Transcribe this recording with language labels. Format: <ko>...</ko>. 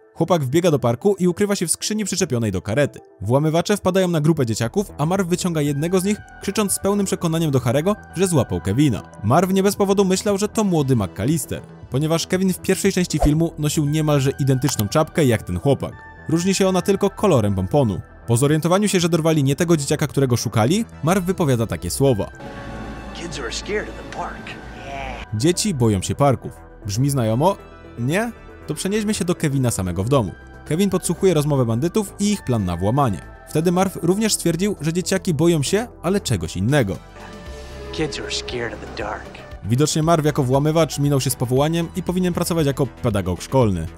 <pl>Chłopak wbiega do parku i ukrywa się w skrzyni przyczepionej do karety. Włamywacze wpadają na grupę dzieciaków, a Marv wyciąga jednego z nich, krzycząc z pełnym przekonaniem do Harry'ego, że złapał Kevina. Marv nie bez powodu myślał, że to młody McAllister, ponieważ Kevin w pierwszej części filmu nosił niemalże identyczną czapkę jak ten chłopak. Różni się ona tylko kolorem pomponu. Po zorientowaniu się, że dorwali nie tego dzieciaka, którego szukali, Marv wypowiada takie słowa.</pl> <en>Kids are scared of the park.</en> <pl>Dzieci boją się parków. Brzmi znajomo? Nie? To przenieśmy się do Kevina samego w domu. Kevin podsłuchuje rozmowę bandytów i ich plan na włamanie. Wtedy Marv również stwierdził, że dzieciaki boją się, ale czegoś innego.</pl> <en>Kids are scared of the dark.</en> <pl>Widocznie Marv jako włamywacz minął się z powołaniem i powinien pracować jako pedagog szkolny.</pl>